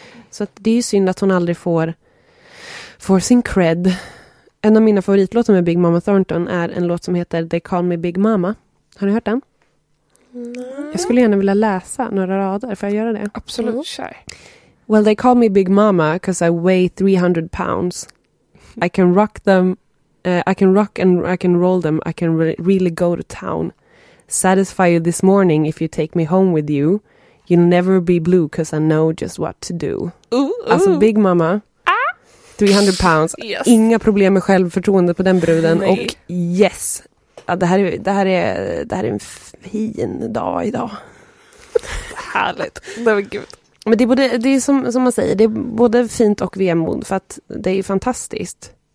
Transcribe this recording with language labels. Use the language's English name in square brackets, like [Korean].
[Swedish] Så att det är ju synd att hon aldrig får sin cred. En av mina favoritlåtar med Big Mama Thornton är en låt som heter They Call Me Big Mama. Har ni hört den? Nej. Jag skulle gärna vilja läsa några rader. Får jag göra det? Absolut. [English] Sure. Well, they call me Big Mama because I weigh 300 pounds. I can rock them, I can rock and I can roll them, I can really go to town. Satisfy you this morning if you take me home with you. You'll never be blue because I know just what to do. Ooh. [Swedish] Alltså Big Mama, [English] 300 pounds, yes. [Swedish] Inga problem med självförtroende på den bruden. Nej. Och yes, ja, det här är en fin dag idag. Härligt, det var gud. Men det är, både, det är som man säger, det är både fint och vemod för att det är fantastiskt.